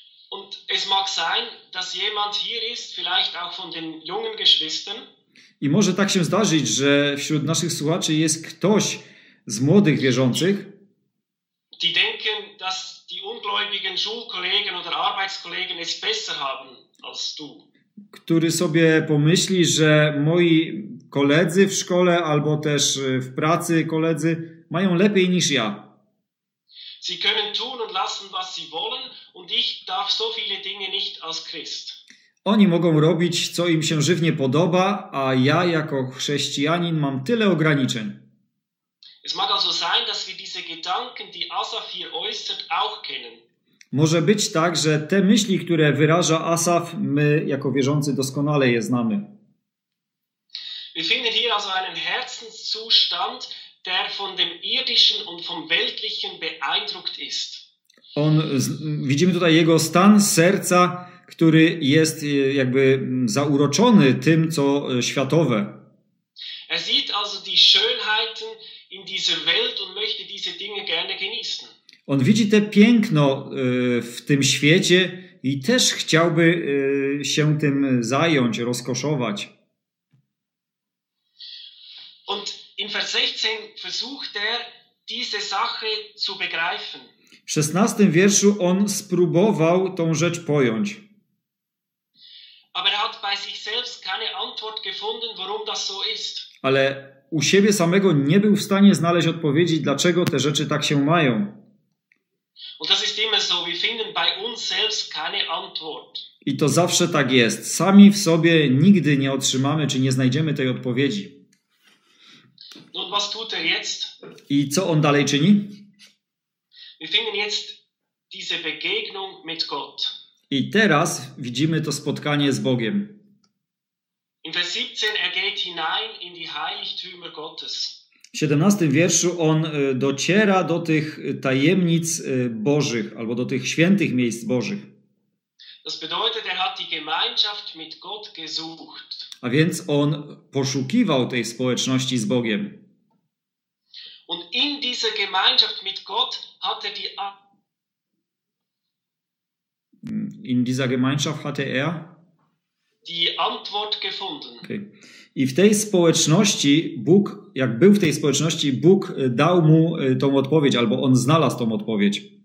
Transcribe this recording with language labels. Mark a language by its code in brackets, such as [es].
[de] Und es mag sein, dass jemand hier ist, vielleicht auch von den jungen Geschwistern. [pl] I może tak się zdarzyć, że wśród naszych słuchaczy jest ktoś z młodych wierzących. [de] Die denken, dass die ungläubigen Schulkollegen oder Arbeitskollegen es besser haben als du. [pl] Który sobie pomyśli, że moi koledzy w szkole albo też w pracy koledzy mają lepiej niż ja. [de] Sie können tun und lassen, was sie wollen und ich darf so viele Dinge nicht als Christ. [pl] Oni mogą robić, co im się żywnie podoba, a ja jako chrześcijanin mam tyle ograniczeń. [de] Es mag also sein, dass wir diese Gedanken, die Asaf hier äußert, auch kennen. [pl] Może być tak, że te myśli, które wyraża Asaf, my jako wierzący doskonale je znamy. [de] Wir finden hier also einen Herzenszustand, der von dem irdischen und vom weltlichen beeindruckt ist. [pl] On, widzimy tutaj jego stan serca, który jest jakby zauroczony tym, co światowe. [de] Er sieht also die Schönheiten in dieser Welt und möchte diese Dinge gerne genießen. [pl] On widzi te piękno w tym świecie i też chciałby się tym zająć, rozkoszować. [de] Und in Vers 16 versucht er diese Sache zu begreifen. [pl] W 16 wierszu on spróbował tą rzecz pojąć. [de] Aber er hat bei sich selbst keine Antwort gefunden, warum das so ist. [pl] Ale u siebie samego nie był w stanie znaleźć odpowiedzi, dlaczego te rzeczy tak się mają. [de] Und das ist immer so, wir finden bei uns selbst keine Antwort. [pl] I to zawsze tak jest. Sami w sobie nigdy nie otrzymamy, czy nie znajdziemy tej odpowiedzi. [de] Nun, was tut er jetzt? [pl] I co on dalej czyni? [de] Wir finden jetzt diese Begegnung mit Gott. [pl] I teraz widzimy to spotkanie z Bogiem. [de] In Vers 17 er geht hinein in die Heiligtümer Gottes. [pl] W 17 wierszu on dociera do tych tajemnic Bożych albo do tych świętych miejsc Bożych. [de] Das bedeutet, er hat die Gemeinschaft mit Gott gesucht. [pl] A więc on poszukiwał tej społeczności z Bogiem. [de] Und in dieser Gemeinschaft mit Gott hatte die In dieser Gemeinschaft hatte er die Antwort gefunden. Okay. [pl] I w tej społeczności Bóg, jak był w tej społeczności, Bóg dał mu tą odpowiedź, albo on znalazł tą odpowiedź.